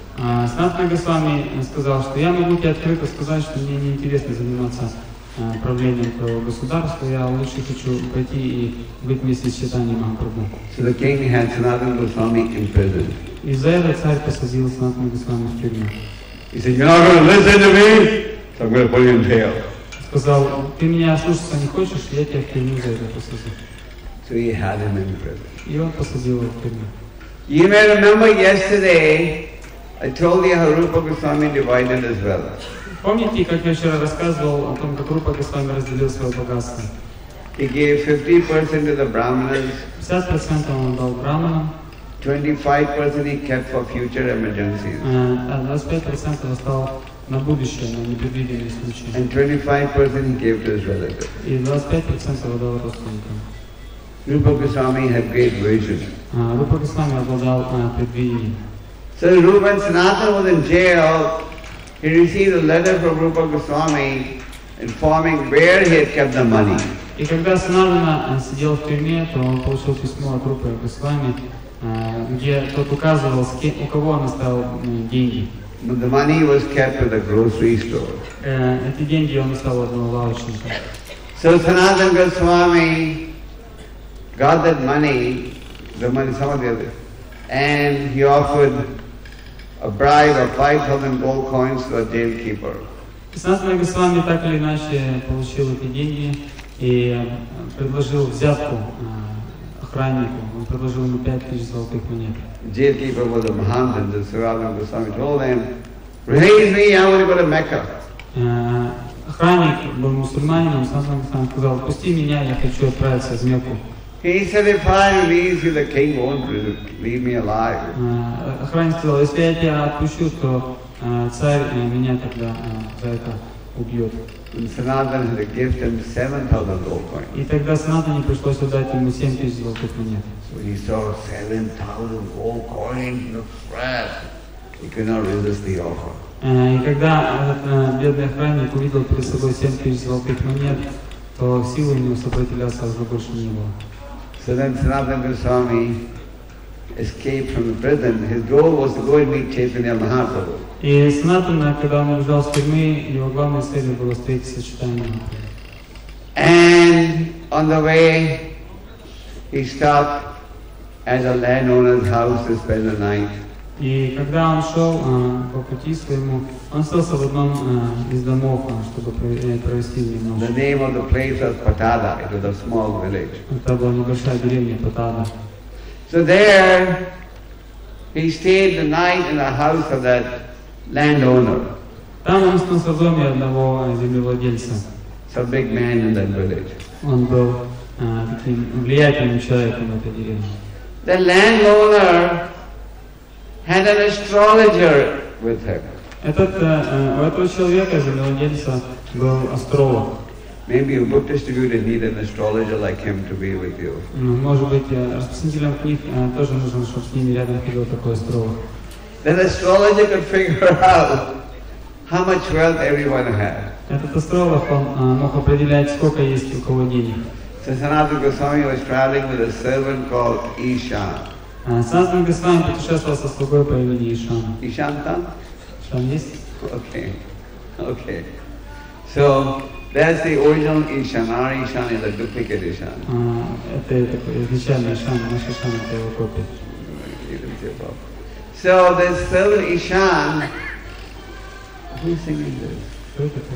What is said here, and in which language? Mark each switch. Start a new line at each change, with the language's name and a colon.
Russian: Sanatana Goswami сказал, что я могу тебе открыто сказать, что мне не интересно заниматься правлением этого государства. Я лучше хочу пойти и быть вместе с Чайтаньей Махапрабху.
English: So the king had Sanatana Goswami imprisoned.
Russian: И за это царь посадил Sanatana Goswami в тюрьму.
English: He said, you're not going to listen to me, so I'm going to put you in jail.
Russian: Сказал, ты меня слушаться не хочешь, я тебя в тюрьму за это посадил.
English: So he had him in prison.
Russian: И он посадил его в тюрьму.
English: You may remember yesterday, I told you how Rupa Goswami divided his wealth.
Russian: Помните, как я вчера рассказывал о том, как Рупа Госвами разделил свое богатство?
English: He gave 50% to the brahmanas.
Russian: 50% он дал брахманам.
English: 25% he kept for future emergencies.
Russian: 25% остал на будущее, на непредвиденные случаи.
English: And 25% he gave to his relatives.
Russian: И 25% его дал родственникам.
English: Rupa Goswami had great vision.
Russian: Rupa Goswami обладал предвидением.
English: So Rupa and Sanatana was in jail. He received a letter from Rupa Goswami informing where he had kept the money.
Russian: И когда Sanatana сидел в тюрьме, то он получил письмо от Rupa Goswami, где тот указывал, у кого он оставил деньги.
English: But the money was kept at the grocery store.
Russian: Эти деньги он оставил одного лавочника.
English: So Sanatana Goswami got that money, the money some of the other, and he offered a bribe of 5,000 gold coins to a jailkeeper.
Russian: Sanatana Goswami так или иначе получил эти деньги и предложил взятку охраннику. Он предложил ему 5,000 золотых монет.
English: Jailkeeper was a Mahantan, and Sanatana Goswami told him, "Release me! I want to go to Mecca."
Russian: Охранник был мусульманином. Sanatana Goswami сказал, "Пусти меня, я хочу отправиться в Мекку."
English: He said, "If I release you, the king won't leave me alive."
Russian: Охранник сказал, "Если я тебя отпущу, то царь меня тогда за это убьет."
English: And Sanatana had to give him 7,000 gold coins.
Russian: И тогда Sanatana пришлось отдать ему 7,000 золотых монет.
English: So he saw 7,000 gold coins in the fresh. He could not resist the offer.
Russian: И когда бедный охранник увидел перед собой 7,000 золотых монет, то силы у него сопротивляться уже больше не было.
English: So then Sanatana Goswami escaped from the prison. His goal was to go and meet Chaitanya Mahaprabhu.
Russian: И Sanatana, когда он убежал из тюрьмы, его главной целью было встретиться с Чайтаньей Махапрабху.
English: And on the way, he stopped at a landowner's house to spend the night.
Russian: И когда он шел по пути своему, он остался в одном из домов, чтобы провести немного.
English: The name of the place was Patada. It was a small village.
Russian: Это была небольшая деревня Патада.
English: So there, he stayed the night in the house of that landowner.
Russian: Там он остался в доме одного землевладельца.
English: Some big man in that village.
Russian: Он был таким влиятельным человеком в этой деревне.
English: The landowner had an astrologer with him.
Russian: Этот у этого человека землевладельца был астролог.
English: Maybe a book distributor need an astrologer like him to be with you.
Russian: Может быть, распространителям книг тоже нужно, чтобы с ними рядом ходил такой астролог.
English: Then astrologer could figure out how much wealth everyone had.
Russian: Этот астролог мог определять, сколько есть у кого денег.
English: So Sanatana Goswami was traveling with a servant called Ishan.
Russian: Сансан Госвами путешествовал со слугой по имени Ишан. Ишан там? Ишан есть?
English: Okay. Okay. So, that's the original Ishan. Our Ishan is a duplicate Ishan. So, this seven Ishan, who's singing this?